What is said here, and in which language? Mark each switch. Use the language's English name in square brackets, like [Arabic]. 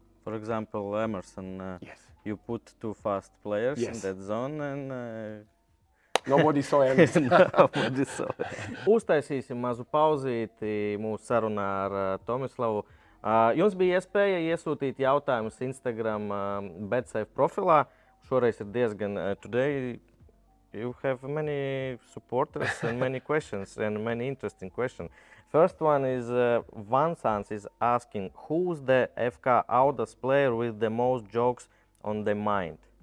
[English] For example, Emerson, you put two fast players in that zone, and nobody saw Emerson. Nobody saw. [Latvian] Uztaisīsim mazu pauzīti mūsu sarunā ar Tomislavu. Jums bija iespēja iesūtīt jautājumus Instagram BetSafe profilā. [English] Šoreiz ir diezgan today you have many supporters and many questions and many interesting questions. First one is Vansans is asking, who's the FK Auda's player with the most jokes on the mind?